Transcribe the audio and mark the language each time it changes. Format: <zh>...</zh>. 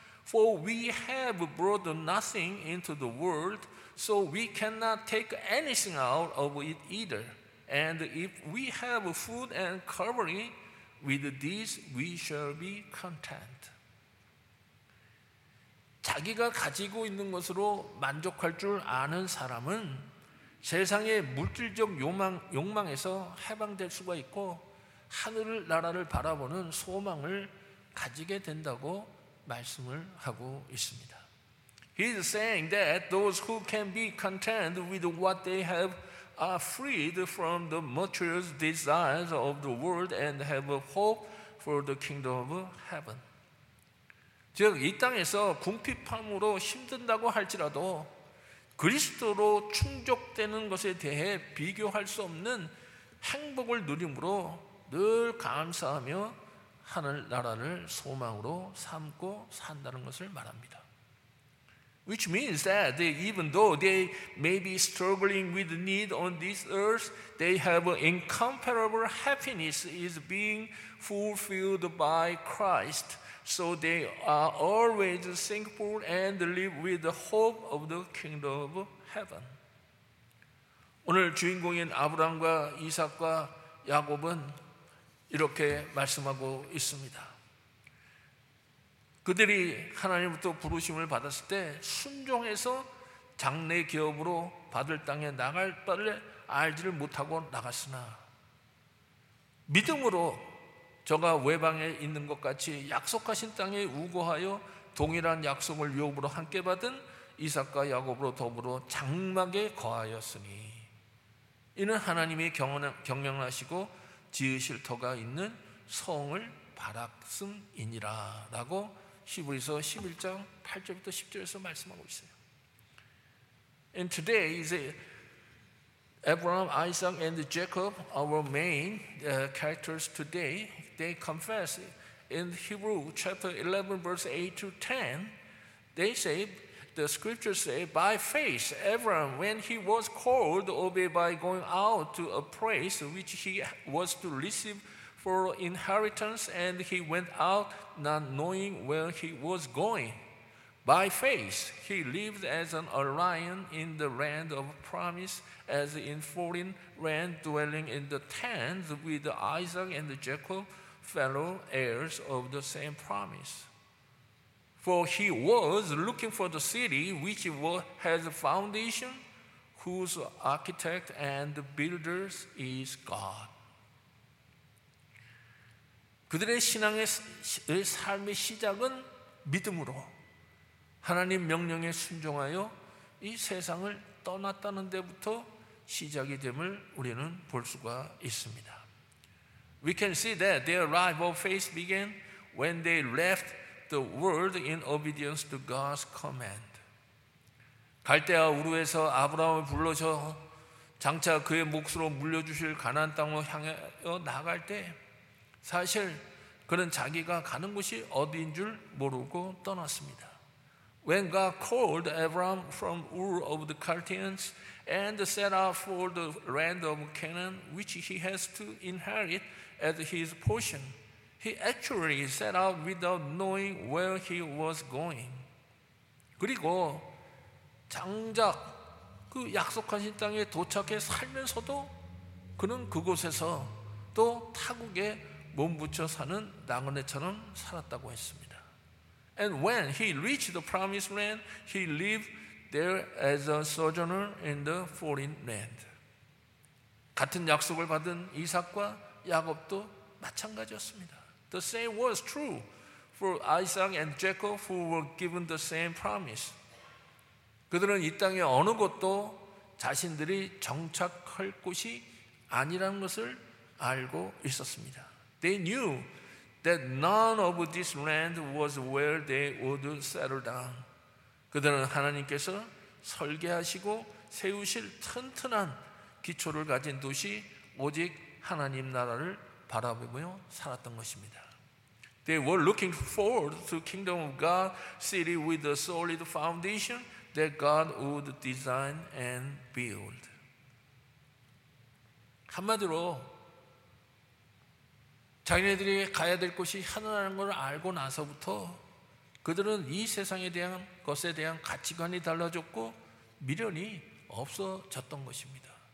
<en>For we have brought nothing into the world, so we cannot take anything out of it either. And if we have food and covering, with this we shall be content.</en> <ko>자기가 가지고 있는 것으로 만족할 줄 아는 사람은 세상의 물질적 욕망에서 해방될 수가 있고 하늘을 나라를 바라보는 소망을 가지게 된다고 말씀을 하고 있습니다.</ko> <en>He is saying that those who can be content with what they have are freed from the material desires of the world and have a hope for the kingdom of heaven.</en> <ko>즉 이 땅에서 궁핍함으로 힘든다고 할지라도 그리스도로 충족되는 것에 대해 비교할 수 없는 행복을 누림으로 늘 감사하며 하늘 나라를 소망으로 삼고 산다는 것을 말합니다.</ko> <en>Which means that they, even though they may be struggling with need on this earth, they have an incomparable happiness is being fulfilled by Christ. So they are always thankful and live with the hope of the kingdom of heaven.</en> <ko>오늘 주인공인 아브라함과 이삭과 야곱은 이렇게 말씀하고 있습니다. 그들이 하나님부터 부르심을 받았을 때 순종해서 장래 기업으로 받을 땅에 나갈 바를 알지를 못하고 나갔으나 믿음으로 저가 외방에 있는 것 같이 약속하신 땅에 우거하여 동일한 약속을 유업으로 함께 받은 이삭과 야곱으로 더불어 장막에 거하였으니 이는 하나님이 경영하시고 지으실 터가 있는 성을 바랐음이니라 라고 히브리서 11장 8절부터 10절에서 말씀하고 있어요.</ko> <en>And today is Abraham, Isaac and Jacob, our main characters today. They confess in Hebrew chapter 11 verse 8 to 10. They say, the scriptures say, by faith Abraham, when he was called, obeyed by going out to a place which he was to receive for inheritance, and he went out not knowing where he was going. By faith, he lived as an alien in the land of promise, as in foreign land, dwelling in the tents with Isaac and Jacob, fellow heirs of the same promise. For he was looking for the city which has a foundation, whose architect and builder is God.</en> <ko>그들의 신앙의 삶의 시작은 믿음으로 하나님 명령에 순종하여 이 세상을 떠났다는 데부터 시작이 됨을 우리는 볼 수가 있습니다.</ko> <en>We can see that their life of faith began when they left the world in obedience to God's command.</en> <ko>갈대아 우르에서 아브라함을 불러서 장차 그의 몫으로 물려주실 가나안 땅으로 향하여 나갈 때 사실 그는 자기가 가는 곳이 어디인 줄 모르고 떠났습니다.</ko> <en>When God called Abraham from Ur of the Chaldeans and set out for the land of Canaan, which he has to inherit as his portion, he actually set out without knowing where he was going.</en> <ko>그리고 장작 그 약속하신 땅에 도착해 살면서도 그는 그곳에서 또 타국에 몸부쳐 사는 나그네처럼 살았다고 했습니다.</ko> <en>And when he reached the promised land, he lived there as a sojourner in the foreign land.</en> <ko>같은 약속을 받은 이삭과 야곱도 마찬가지였습니다.</ko> <en>The same was true for Isaac and Jacob who were given the same promise.</en> <ko>그들은 이 땅의 어느 곳도 자신들이 정착할 곳이 아니라는 것을 알고 있었습니다.</ko> <en>They knew that none of this land was where they would settle down.</en> <ko>그들은 하나님께서 설계하시고 세우실 튼튼한 기초를 가진 도시 오직 하나님 나라를 바라보며 살았던 것입니다.</ko> <en>They were looking forward to kingdom of God, city with a solid foundation that God would design and build.</en> <ko>한마디로 자기네들이 가야 될 곳이 하늘이라는 걸 알고 나서부터 그들은 이 세상에 대한 것에 대한 가치관이 달라졌고 미련이 없어졌던 것입니다.</ko>